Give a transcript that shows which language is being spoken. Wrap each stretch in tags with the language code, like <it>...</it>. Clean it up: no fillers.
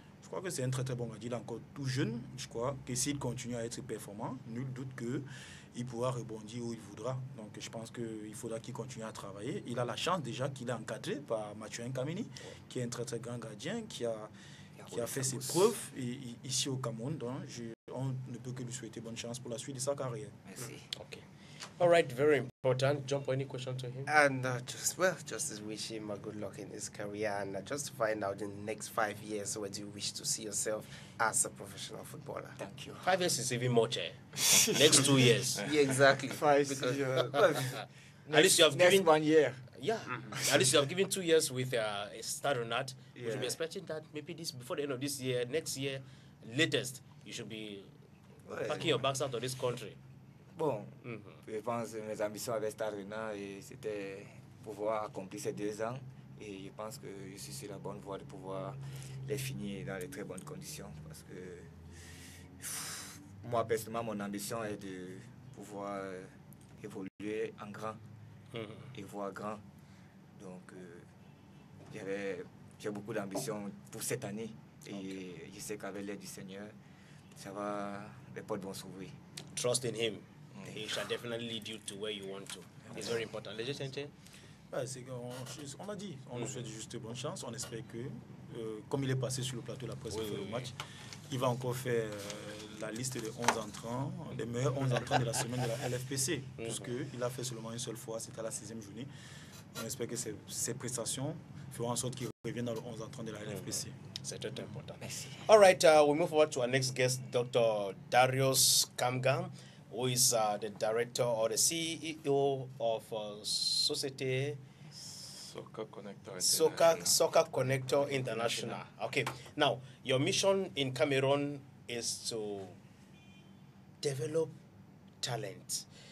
<fr>Je crois que c'est un très très bon gardien. Il est encore tout jeune. Je crois que s'il continue à être performant, nul doute qu'il pourra rebondir où il voudra. Donc je pense qu'il faudra qu'il continue à travailler. Il a la chance déjà qu'il est encadré par Mathieu Nkamini, qui est un très très grand gardien, qui a fait ses preuves ici au Cameroun. Donc on ne peut que lui souhaiter bonne chance pour la suite de sa carrière. Merci.</fr> <en>OK. All right, very important. Jump, any question to him? And just wish him a good luck in his career. And just to find out, in the next 5 years, where do you wish to see yourself as a professional footballer? Thank you. 5 years is even more, chair. Next 2 years. Yeah, exactly. At least you have given 1 year. Yeah. Mm-hmm. At least you have given 2 years with a start or not. Yeah. We should be expecting that maybe this before the end of this year, next year, latest, you should be packing your bags out of this country.</en> <fr>Bon, je pense que mes ambitions avec Star Arena, c'était pouvoir accomplir ces 2 ans. Et je pense que je suis sur la bonne voie de pouvoir les finir dans de très bonnes conditions. Parce que moi, personnellement, mon ambition est de pouvoir évoluer en grand et voir grand. Donc, j'ai beaucoup d'ambition pour cette année. Et je sais qu'avec l'aide du Seigneur, ça va, les portes vont s'ouvrir.</fr> <en>Trust in Him. He shall definitely lead you to where you want to. It's very important. Let's just enter.</en> <fr>On a dit, on nous souhaite juste bonne chance. On espère que, comme il est passé sur le plateau de la presse, le match, il va encore faire la liste des 11 entrants, les meilleurs 11 entrants de la semaine de la LFPC, puisqu'il a fait seulement une seule fois, c'était à la 6e journée. On espère que ses prestations feront en sorte qu'il revienne dans le 11 entrants de la LFPC. C'est très important. Merci.</fr> <en>All right, we move forward to our next guest, Dr. Darius Kamgan, who is the director or the CEO of Société Soccer Connector International. Soccer Connector International. Okay. Now, your mission in Cameroon is to develop talent.</en>